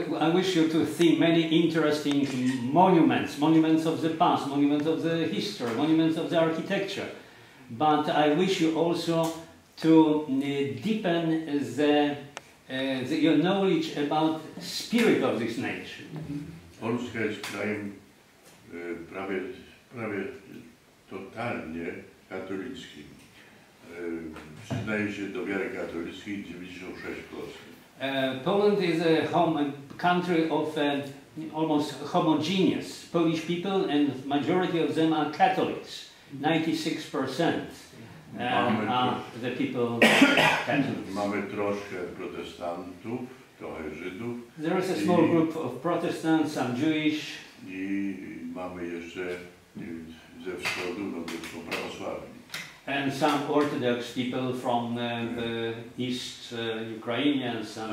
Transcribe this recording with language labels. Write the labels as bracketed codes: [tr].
[en] I wish you to see many interesting monuments, monuments of the past, monuments of the history, monuments of the architecture. But I wish you also to deepen the your knowledge about spirit of this nation. [pl] Polska jest krajem prawie totalnie katolickim. Przyznaje się do wiary katolickiej 96%. [en] Poland is a home country of almost homogeneous Polish people, and majority of them are Catholics. 96% are the people Catholics. [pl] Mamy troszkę protestantów, trochę Żydów. [en] There is a small group of Protestants, some Jewish. [pl] I mamy jeszcze ze wschodu, no to są prawosławni. [en] And some Orthodox people from the East, Ukrainians and